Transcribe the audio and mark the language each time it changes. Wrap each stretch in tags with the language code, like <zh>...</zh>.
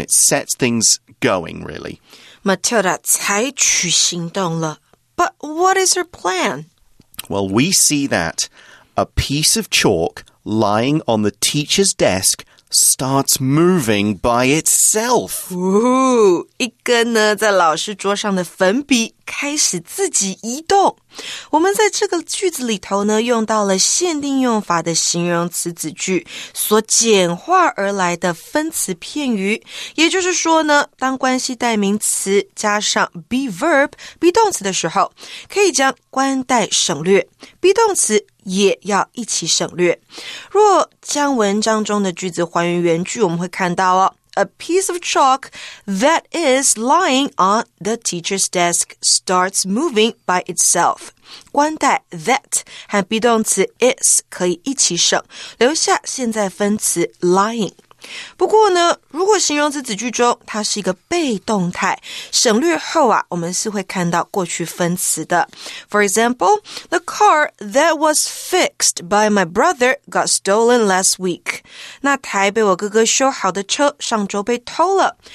<en>It sets things going, really. Matilda</en> <zh>采取行动了。</zh> <en>But what is her plan? Well, we see that a piece of chalk lying on the teacher's desk starts moving by itself.</en> <zh>Ooh, 一根呢在老师桌上的粉笔开始自己移动。我们在这个句子里头呢用到了限定用法的形容词子句所简化而来的分词片语。也就是说呢当关系代名词加上 be verb, be 动词的时候可以将关代省略 ,be 动词也要一起省略。若将文章中的句子还原原句我们会看到哦</zh> <en>a piece of chalk that is lying on the teacher's desk starts moving by itself.</en> <zh>关带 that 和 be 动词 is 可以一起省，留下现在分词 lying。不过呢，如果形容词子句中它是一个被动态，省略后啊，我们是会看到过去分词的。</zh> <en>For example, the car that was fixed by my brother got stolen last week.</en> <zh>那台被我哥哥修好的车上周被偷了。</zh>